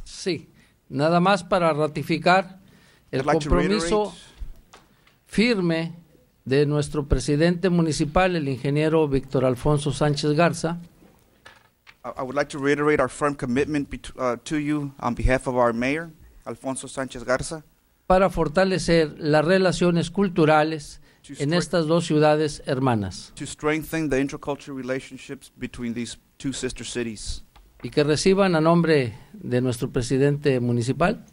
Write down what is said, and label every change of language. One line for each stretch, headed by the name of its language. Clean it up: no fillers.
Spanish: Sí, nada más para ratificar el compromiso firme de nuestro presidente municipal, el ingeniero Víctor Alfonso Sánchez Garza.
English: I would like to reiterate our firm commitment to you on behalf of our mayor, Alfonso Sánchez Garza.
Spanish: Para fortalecer las relaciones culturales en estas dos ciudades hermanas.
English: To strengthen the intercultural relationships between these two sister cities.
Spanish: Y que reciban a nombre de nuestro presidente municipal.